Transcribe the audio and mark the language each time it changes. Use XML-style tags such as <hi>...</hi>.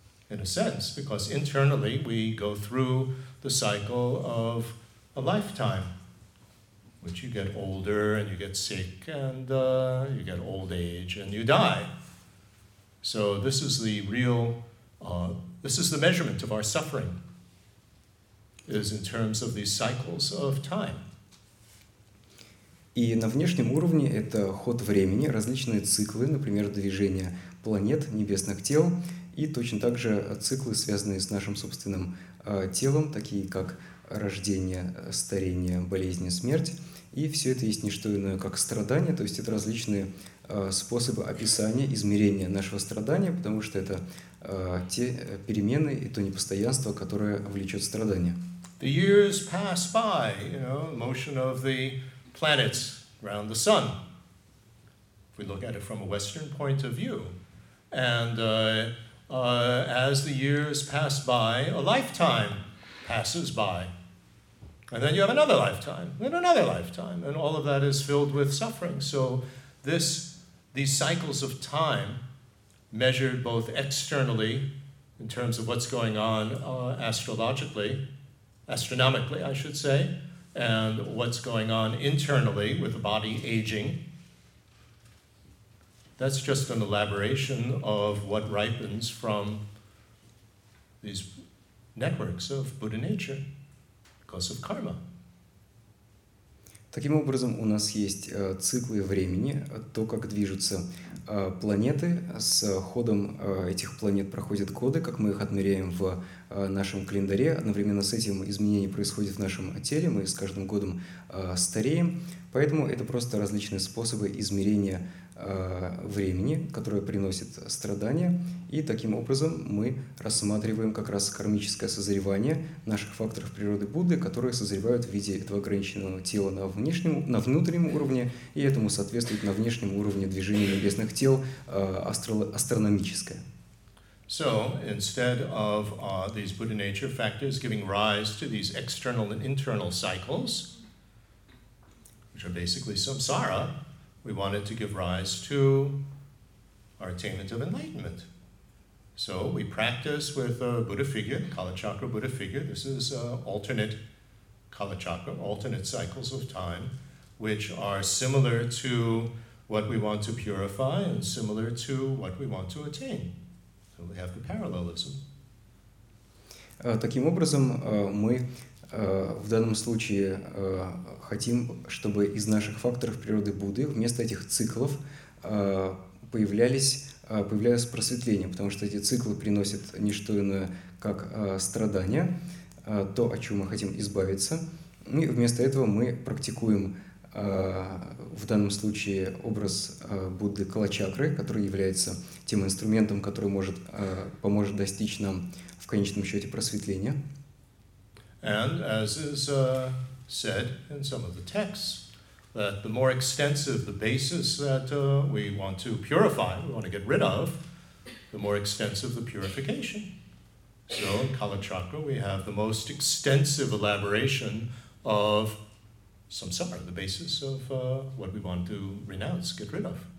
<en>In a sense, because internally we go through the cycle of a lifetime, which you get older and you get sick and you get old age and you die. So this is the real, this is the measurement of our suffering, is in terms of these cycles of time.</en> <ru>И на внешнем уровне это ход времени, различные циклы, например, движение планет, небесных тел. И точно так же циклы, связанные с нашим собственным телом, такие как рождение, старение, болезни, смерть. И все это есть не что иное, как страдания, то есть это различные способы описания, измерения нашего страдания, потому что это те перемены и то непостоянство, которое влечет страдания.</ru> <en>The years pass by, you know, motion of the planets around the sun. If we look at it from a Western point of view, and as the years pass by, a lifetime passes by. And then you have another lifetime, then another lifetime, and all of that is filled with suffering. So these cycles of time, measured both externally, in terms of what's going on astronomically, I should say, and what's going on internally with the body aging, that's just an elaboration of what ripens from these networks of Buddha nature because of karma.</en> <ru>Таким образом, у нас есть циклы времени, то, как движутся планеты, с ходом этих планет проходят годы, как мы их отмеряем в нашем календаре. Одновременно с этим изменения происходят в нашем теле, мы с каждым годом стареем. Поэтому это просто различные способы измерения времени, которое приносит страдания. И таким образом мы рассматриваем как раз кармическое созревание наших факторов природы Будды, которые созревают в виде этого ограниченного тела на внешнем, на внутреннем уровне, и этому соответствует на внешнем уровне движение небесных тел астрономическое.</ru> <en>So, instead of these Buddha nature factors giving rise to these external and internal cycles, which are basically samsara, we want it to give rise to our attainment of enlightenment. So we practice with a Buddha figure, Kalachakra Buddha figure. This is alternate Kalachakra, alternate cycles of time, which are similar to what we want to purify and similar to what we want to attain. So we have the parallelism.</en> <ru>Таким образом, мы в данном случае хотим, чтобы из наших факторов природы Будды вместо этих циклов появлялись просветления, потому что эти циклы приносят не что иное, как страдания, то, от чего мы хотим избавиться. И вместо этого мы практикуем в данном случае образ Будды Калачакры, который является тем инструментом, который может, поможет достичь нам в конечном счете просветления.</ru> <en>And as is said in some of the texts, that the more extensive the basis that we want to purify, we want to get rid of, the more extensive the purification. So in Kalachakra, we have the most extensive elaboration of samsara, the basis of what we want to renounce, get rid of.</en>